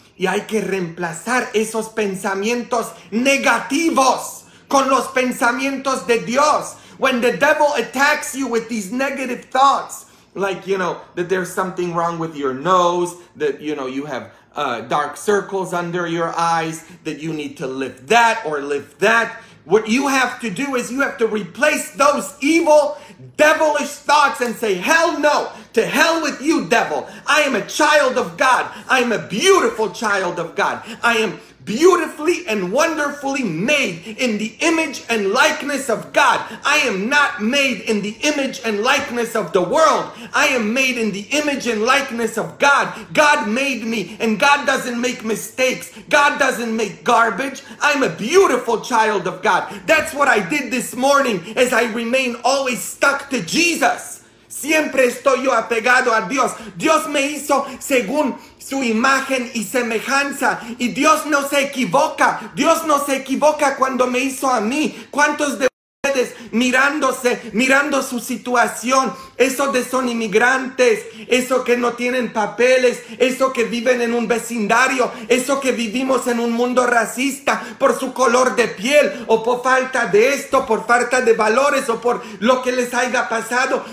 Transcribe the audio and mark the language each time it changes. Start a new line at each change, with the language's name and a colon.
Spanish: Y hay que reemplazar esos pensamientos negativos con los pensamientos de Dios.
English: When the devil attacks you with these negative thoughts, like, you know, that there's something wrong with your nose, that, you know, you have dark circles under your eyes, that you need to lift that or lift that. What you have to do is you have to replace those evil, devilish thoughts and say, hell no, to hell with you, devil. I am a child of God. I am a beautiful child of God. I am beautifully and wonderfully made in the image and likeness of God. I am not made in the image and likeness of the world. I am made in the image and likeness of God. God made me, and God doesn't make mistakes. God doesn't make garbage. I'm a beautiful child of God. That's what I did this morning, as I remain always stuck to Jesus.
Spanish: Siempre estoy yo apegado a Dios. Dios me hizo según su imagen y semejanza. Y Dios no se equivoca. Dios no se equivoca cuando me hizo a mí. ¿Cuántos de ustedes mirando su situación? Eso de son inmigrantes, eso que no tienen papeles, eso que viven en un vecindario, eso que vivimos en un mundo racista por su color de piel o por falta de esto, por falta de valores o por lo que les haya pasado.